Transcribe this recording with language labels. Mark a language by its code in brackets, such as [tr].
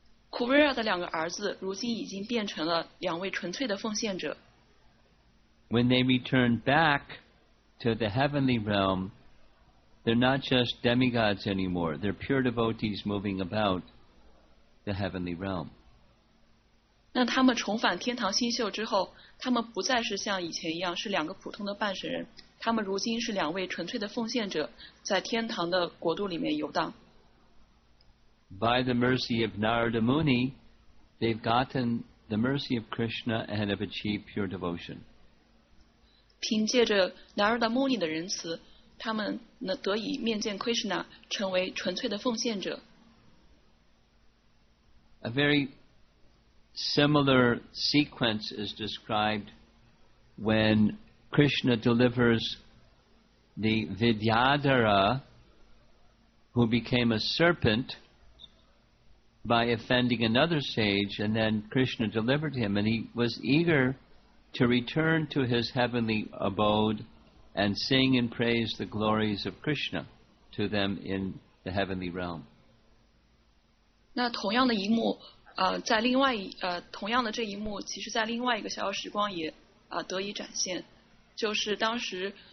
[zh] Kuvera 的两个儿子如今已经变成了两位纯粹的奉献者。 [en] When they return back to the heavenly realm, they're not just demigods anymore, they're pure devotees moving about the heavenly realm. [zh] 那他们重返天堂星宿之后，他们不再是像以前一样是两个普通的半神人，他们如今是两位纯粹的奉献者，在天堂的国度里面游荡。 [en] By the mercy of Narada Muni, they've gotten the mercy of Krishna and have achieved pure devotion. [zh] 凭借着 Narada Muni 的仁慈，他们能得以面见 Krishna， 成为纯粹的奉献者。 [en] A very similar sequence is described when Krishna delivers the Vidyadhara, who became a serpent by offending another sage, and then Krishna delivered him, and he was eager to return to his heavenly abode and sing and praise the glories of Krishna to them in the heavenly realm. [zh] 那同样的一幕在另外同样的这一幕，其实在另外一个逍遥时光也得以展现，就是当时